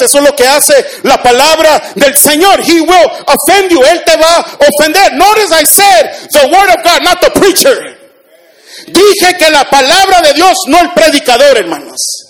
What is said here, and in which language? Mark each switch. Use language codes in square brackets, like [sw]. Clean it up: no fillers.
[es] Eso es lo que hace la palabra del Señor. [en] He will offend you. [es] Él te va a ofender. [en] Notice I said the word of God, not the preacher. [es] Dije que la palabra de Dios, no el predicador, hermanos.